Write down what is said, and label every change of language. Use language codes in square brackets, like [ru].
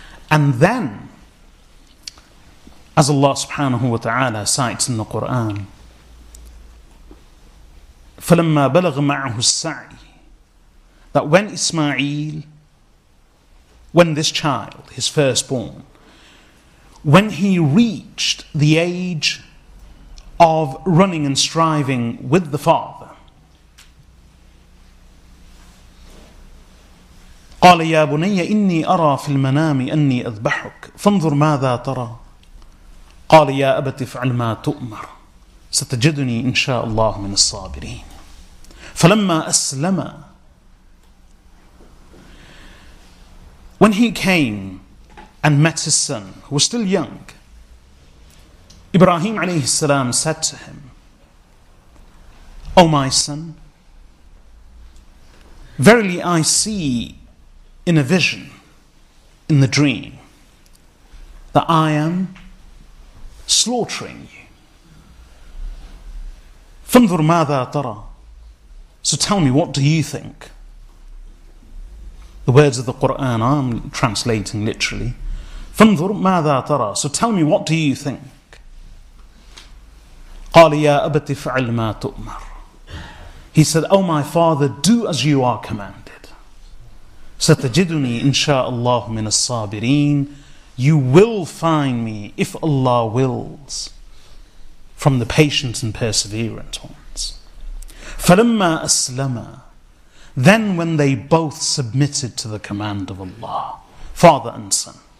[en] And then, as Allah subhanahu wa ta'ala cites in the Qur'an, [ar] فَلَمَّا بَلَغَ مَعْهُ السَّعِي, [en] that when Ismail, when this child, his firstborn, when he reached the age of running and striving with the father, [ar] قَالَ يَا بُنَيَّ إِنِّي أَرَى فِي الْمَنَامِ أَنِّي أَذْبَحُكَ فَانْظُرْ مَاذَا تَرَى قَالَ يَا أَبَتِ فَعَلْ مَا تُؤْمَرُ. ستجدني إن شاء الله من الصابرين. فلما أسلم, [en] when he came and met his son, who was still young, Ibrahim عليه السلام said to him, O my son, verily I see in a vision, in the dream, that I am slaughtering you. [ar] فانظر ماذا ترى. [en] So tell me, what do you think? The words of the Quran, I'm translating literally. [ar] فانظر ماذا ترى. [en] So tell me, what do you think? [ar] قال يا أبت فعل ما تؤمر. [en] He said, O my father, do as you are commanded. [ar] ستجدني إن شاء الله من الصابرين. [en] You will find me, if Allah wills, from the patient and perseverant ones. [ar] فلما أسلما. [en] Then when they both submitted to the command of Allah, father and son.